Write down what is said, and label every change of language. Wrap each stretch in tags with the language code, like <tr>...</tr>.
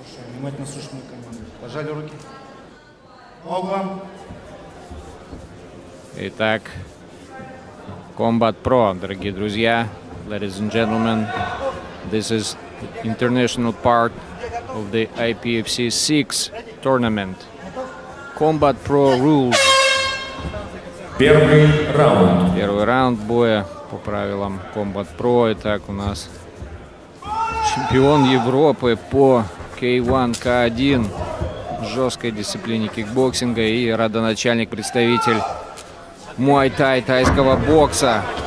<ru>Внимательно слушай мою команду. Пожали руки. Оба. Итак, Combat Pro, дорогие друзья.</ru> <en>Ladies and gentlemen, this is the international part of the IPFC 6 tournament. Combat Pro rules.</en> <ru>Первый раунд. Первый раунд боя по правилам Combat Pro. Итак, у нас чемпион Европы по K1, K1 жесткой дисциплине кикбоксинга и родоначальник, представитель муай-тай, тайского бокса.</ru>